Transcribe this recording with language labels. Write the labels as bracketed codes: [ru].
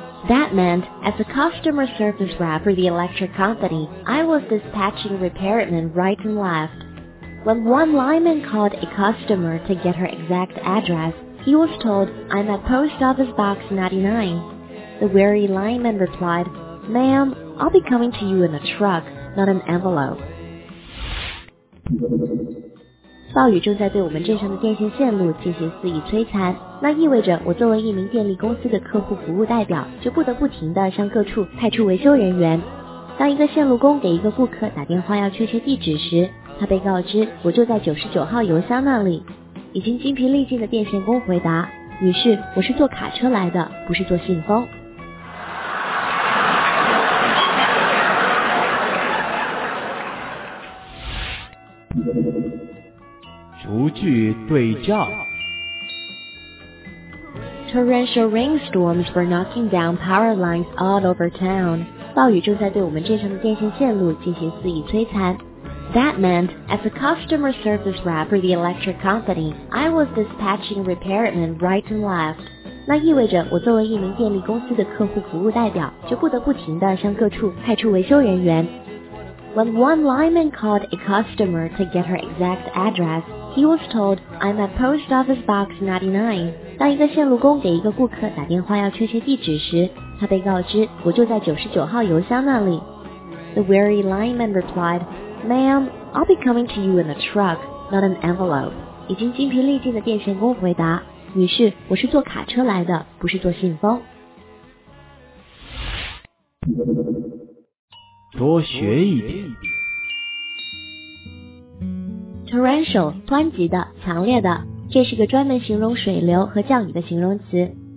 [en] That meant, as a customer service rep for the electric company, I was dispatching repairmen right and leftWhen one lineman called a customer to get her exact address, he was told, I'm at post office box 99. The weary lineman replied, Ma'am, I'll be coming to you in a truck, not an envelope. [zh] 暴雨正在对我们镇上的电线线路进行肆意摧残，那意味着我作为一名电力公司的客户服务代表，就不得不停地向各处派出维修人员。当一个线路工给一个顾客打电话要确切地址时，他被告知我就在99号邮箱那里。已经精疲力尽的电线工回答，女士，我是坐卡车来的，不是坐信封。逐句对照。 [en] Torrential rainstorms were knocking down power lines all over town. [zh] 暴雨正在对我们镇上的电线线路进行肆意摧残。 [en] That meant, as a customer service rep for the electric company, I was dispatching repairmen right and left. [zh] 那意味着我作为一名电力公司的客户服务代表，就不得不停地向各处派出维修人员。 [en] When one lineman called a customer to get her exact address, he was told, I'm at post office box 99. [zh] 当一个线路工给一个顾客打电话要确切地址时，他被告知我就在99号邮箱那里。 [en] The weary lineman replied,Ma'am, I'll be coming to you in a truck, not an envelope. [zh] 已经精疲力尽的电线工回答，女士，我是坐卡车来的，不是坐信封。多学一点。 [en] Torrential, [zh] 湍急的，强烈的，这是个专门形容水流和降雨的形容词。